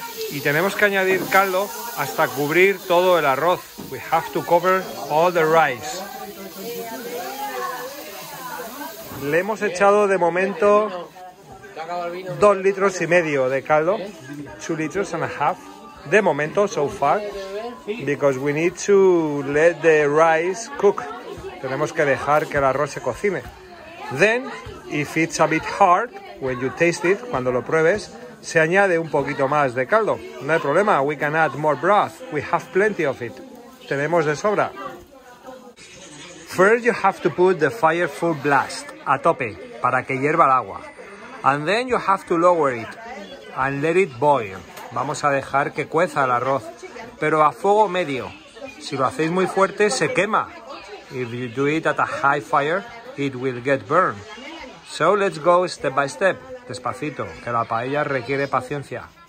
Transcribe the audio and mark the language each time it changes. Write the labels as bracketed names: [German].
[Spanish] Y tenemos que añadir caldo hasta cubrir todo el arroz. [English] We have to cover all the rice. [Spanish] Le hemos echado de momento 2 litros y medio de caldo. [English] 2 liters and a half. [Spanish] De momento, [English] so far. Because we need to let the rice cook. [Spanish] Tenemos que dejar que el arroz se cocine. [English] Then, if it's a bit hard, when you taste it, [Spanish] cuando lo pruebes, se añade un poquito más de caldo. No hay problema, [English] we can add more broth. We have plenty of it. [Spanish] Tenemos de sobra. [English] First, you have to put the fire full blast [Spanish] a tope para que hierva el agua. [English] And then you have to lower it and let it boil. [Spanish] Vamos a dejar que cueza el arroz, pero a fuego medio. Si lo hacéis muy fuerte, se quema. [English] If you do it at a high fire, it will get burned. So let's go step by step, [Spanish] despacito, que la paella requiere paciencia.